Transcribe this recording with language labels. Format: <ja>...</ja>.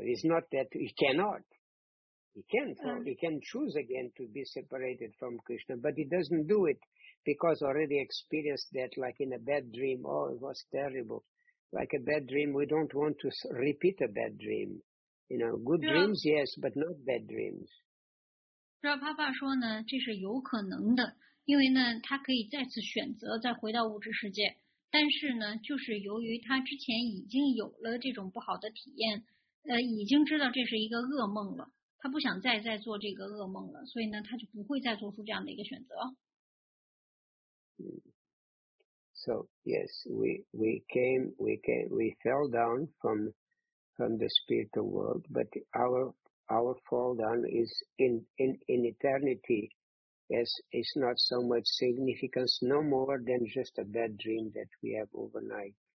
<en>It's not that he cannot. He can. He can choose again to be separated from Krishna, but he doesn't do it because already experienced that, like in a bad dream. Oh, it was terrible. Like a bad dream, we don't want to repeat a bad dream. You know, good dreams, yes, but not bad dreams.</en> <zh>让爸爸说呢，这是有可能的，因为呢，他可以再次选择再回到物质世界。但是呢，就是由于他之前已经有了这种不好的体验，已经知道这是一个噩梦了，他不想再做这个噩梦了，所以呢，他就不会再做出这样的一个选择。</zh> <en>So yes, we fell down from the spiritual world, but our fall down is in eternity. Yes, it's not so much significance, no more than just a bad dream that we have overnight.</en>